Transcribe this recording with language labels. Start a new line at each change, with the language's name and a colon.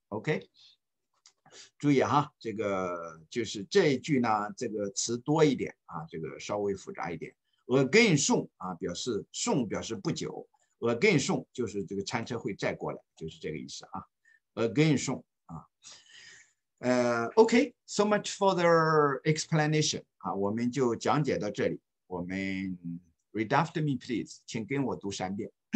Chinese: OK, 注意哈，这个就是这一句呢，这个词多一点啊，这个稍微复杂一点。 again 送啊，表示送表示不久，again 送就是这个餐车会再过来，就是这个意思啊。 again 送啊。
English: OK, so much for the explanation, 啊，
Chinese: 我们就讲解到这里。我们
English: read after me, please,
Chinese: 请跟我读三遍。